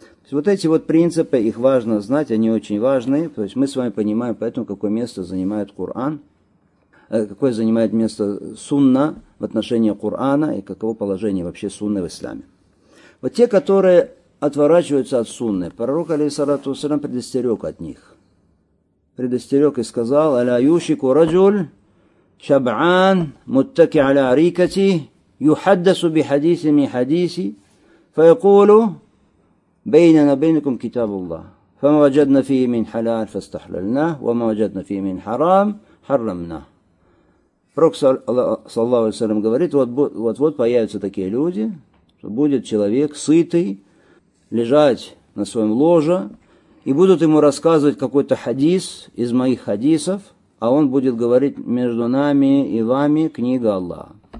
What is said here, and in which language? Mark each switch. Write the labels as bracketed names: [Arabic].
[Russian] Вот эти вот принципы, их важно знать, они очень важны. То есть мы с вами понимаем, поэтому какое место занимает Кур'ан, какое занимает место сунна в отношении Кур'ана и каково положение вообще сунны в исламе. Вот те, которые отворачиваются от сунны, пророк, алейхиссалату вассалям, предостерег от них. Предостерег и сказал, [Arabic] «Аля юшику раджуль شبعان متكئ على أريكته يحدث بحديث من حديثي فيقول بيننا بينكم كتاب الله فما وجدنا فيه من حلال فاستحللناه وما وجدنا فيه من حرام حرمناه. [Russian] Пророк, саллаллаху алейхи ва саллям, говорит, вот-вот появятся такие люди, что будет человек сытый, лежать на своем ложе, и будут ему рассказывать какой-то хадис из моих хадисов, а он будет говорить: между нами и вами книга Аллаха.